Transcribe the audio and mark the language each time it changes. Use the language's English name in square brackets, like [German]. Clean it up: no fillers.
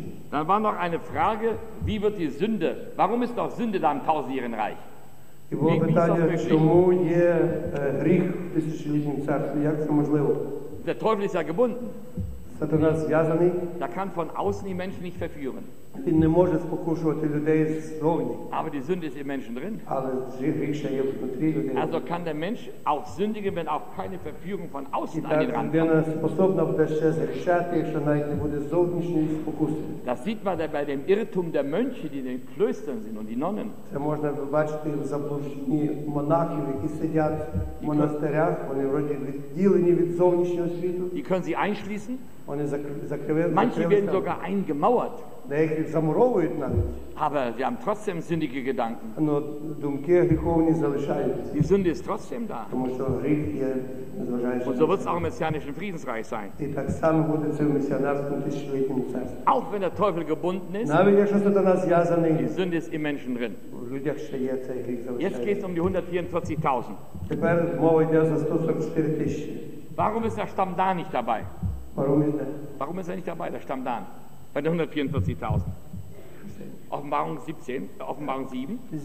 [German] Dann war noch eine Frage, wie wird die Sünde, warum ist doch Sünde da im tausendjährigen Reich? Der Teufel ist ja gebunden. Da kann von außen die Menschen nicht verführen. [Ukrainian] Він не може спокушувати людей ззовні. [German] Aber die Sünde ist im Menschen drin. [Ukrainian] Але гріх є внутрі людини. [German] Also kann der Mensch auch sündigen, wenn auch keine Verführung von außen an ihn rankommt. [Ukrainian] Так, людина способна буде ще згрішати, якщо навіть не буде зовнішньої спокуси. [German] Das sieht man bei dem Irrtum der Mönche, die in den Klöstern sind und die Nonnen. [Ukrainian] Це можна бачити в заблудженні монахів, які сидять в монастирях, вони вроді відділені від зовнішнього світу. [German] Die können sie einschließen. [Ukrainian] Вони закривають. [German] Manche werden sogar eingemauert. [Ukrainian] Деякі замуровують навіть. [German] Aber sie haben trotzdem sündige Gedanken. [Ukrainian] Но думки гріховні залишаються. [German] Die Sünde ist trotzdem da. [Ukrainian] Тому що гріх є, незважаючи. [German] Und so wird es auch im messianischen Friedensreich sein. [Ukrainian] І так само буде це в месіанському тисячолітньому царстві. [German] Auch wenn der Teufel gebunden ist. [Ukrainian] Навіть якщо сатана зв'язаний. [German] Die Sünde ist im Menschen drin. [Ukrainian] У людях ще є цей гріх залишається. [German] Jetzt geht es um die 144.000. [Ukrainian] Тепер мова йде за 144 тисячі. [German] Warum ist der Stamm Dan nicht dabei? Warum ist er? Warum ist er nicht dabei, der Stamm Dan? Bei den 144.000. Offenbarung 17, Offenbarung 7.